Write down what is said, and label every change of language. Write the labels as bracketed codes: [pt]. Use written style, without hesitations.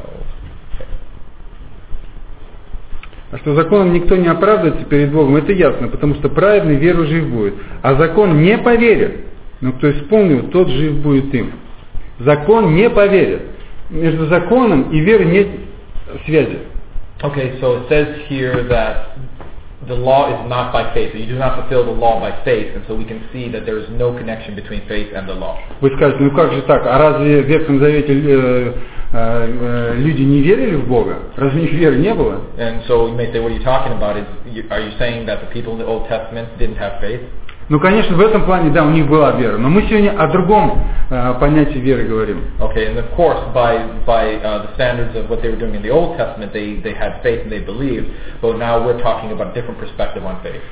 [en] Okay. [ru] А что законом никто не оправдывается перед Богом, это ясно, потому что праведный веру жив будет. А закон не поверит, но кто исполнил, тот жив будет им. Закон не поверит. Между законом и верой нет связи. [en] Okay, so it says here that the law is not by faith. You do not fulfill the law by faith, and so we can see that there is no connection between faith and the law. [ru] Вы скажете, ну как же так? А разве в Ветхом Завете люди не верили в Бога? Разве у них веры не было? [en] And so you may say, what are you talking about? Are you saying that the people in the Old Testament didn't have faith? [ru] Ну, конечно, в этом плане, да, у них была вера. Но мы сегодня о другом понятии веры говорим. [en] Okay, and of course, by the standards of what they were doing in the Old Testament, they had faith and they believed, but now we're talking about a different perspective on faith.